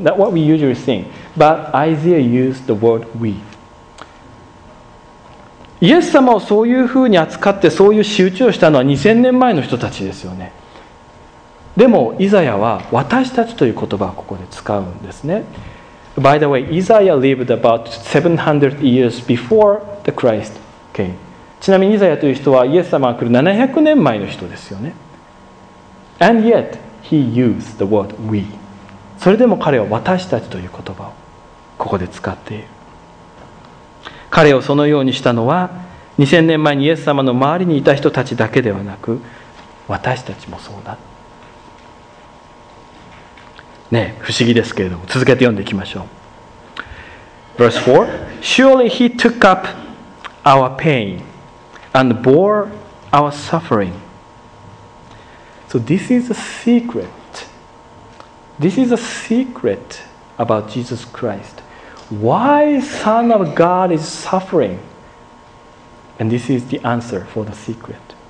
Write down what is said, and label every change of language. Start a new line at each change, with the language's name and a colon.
English: That's what we usually think. But Isaiah used the word we.
Japanese: イエス様をそういうふうに扱ってそういう仕打ちをしたのは2000年前の人たちですよね。でもイザヤは私たちという言葉をここで使うんですね。
English: By the way, Isaiah lived about 700 years before the Christ came.
Japanese: ちなみにイザヤという人はイエス様が来る700年前の人ですよね。
English: And yet, he used the word we.
Japanese: それでも彼は私たちという言葉をここで使っている。彼をそのようにしたのは2000年前にイエス様の周りにいた人たちだけではなく私たちもそうだ。ね、不思議ですけれども続けて読んでいきましょう。
English: Verse 4 Surely he took up our pain and bore our suffering. So this is a secret. This is a secret about Jesus Christ. Why Son of God is suffering? And this is the answer for the secret.